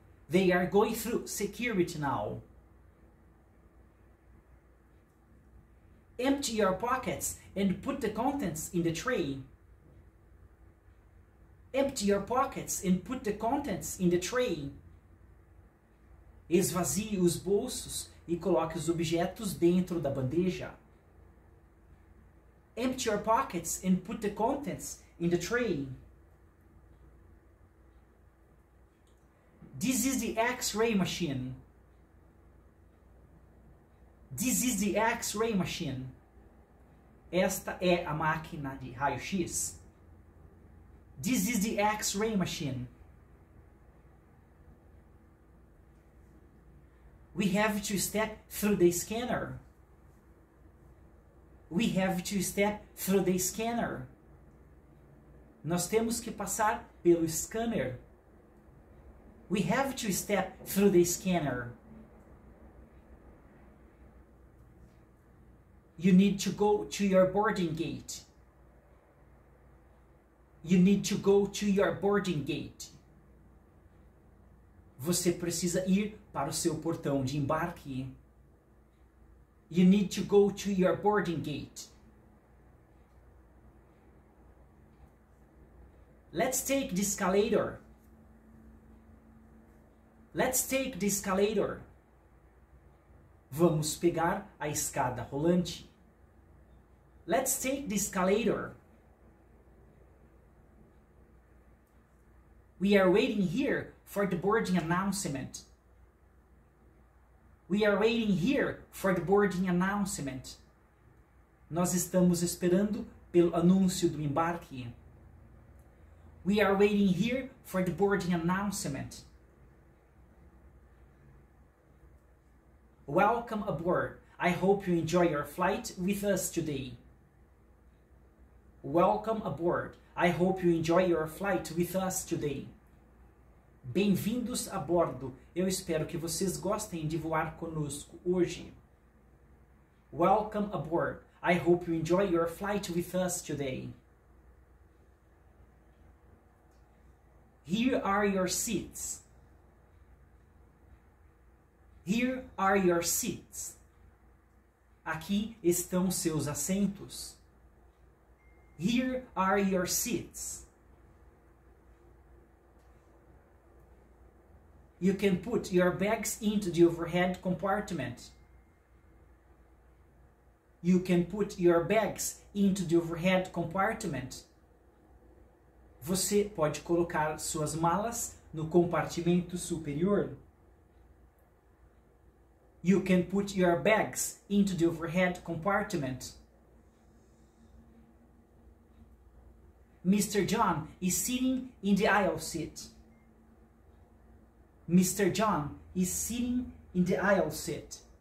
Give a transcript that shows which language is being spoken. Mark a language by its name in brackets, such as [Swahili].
[English] They are going through security now. Empty your pockets and put the contents in the tray. Empty your pockets and put the contents in the tray. [Portuguese] Esvazie os bolsos e coloque os objetos dentro da bandeja. [English] Empty your pockets and put the contents in the tray. This is the X-ray machine. This is the X-ray machine. [Portuguese] Esta é a máquina de raio-x. [English] This is the X-ray machine. We have to step through the scanner. We have to step through the scanner. [Portuguese] Nós temos que passar pelo scanner. [English] We have to step through the scanner. You need to go to your boarding gate. You need to go to your boarding gate. [Portuguese] Você precisa ir para o seu portão de embarque. [English] You need to go to your boarding gate. Let's take the escalator. Let's take the escalator. [Portuguese] Vamos pegar a escada rolante. [English] Let's take the escalator. We are waiting here for the boarding announcement. We are waiting here for the boarding announcement. [Portuguese] Nós estamos esperando pelo anúncio do embarque. [English] We are waiting here for the boarding announcement. Welcome aboard. I hope you enjoy your flight with us today. Welcome aboard. I hope you enjoy your flight with us today. [Portuguese] Bem-vindos a bordo. Eu espero que vocês gostem de voar conosco hoje. [English] Welcome aboard. I hope you enjoy your flight with us today. Here are your seats. Here are your seats. [Portuguese] Aqui estão seus assentos. [English] Here are your seats. You can put your bags into the overhead compartment. You can put your bags into the overhead compartment. [Portuguese] Você pode colocar suas malas no compartimento superior. [English] You can put your bags into the overhead compartment. Mr. John is sitting in the aisle seat. Mr. John is sitting in the aisle seat.